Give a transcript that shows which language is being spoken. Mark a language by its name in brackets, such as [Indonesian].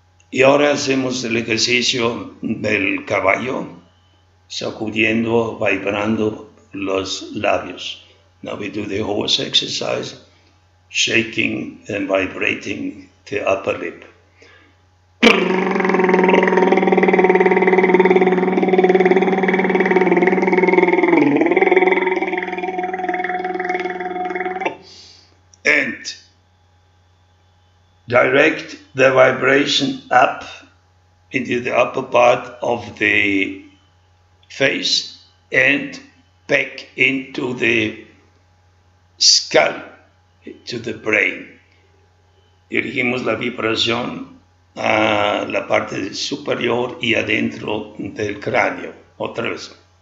[Spanish] Y ahora hacemos el ejercicio del caballo, sacudiendo, vibrando los labios. [English] Now we do the horse exercise, shaking and vibrating the upper lip. Direct the vibration up into the upper part of the face and back into the skull, to the brain. [Spanish] Dirigimos la vibración a la parte superior y adentro del cráneo. Otra vez.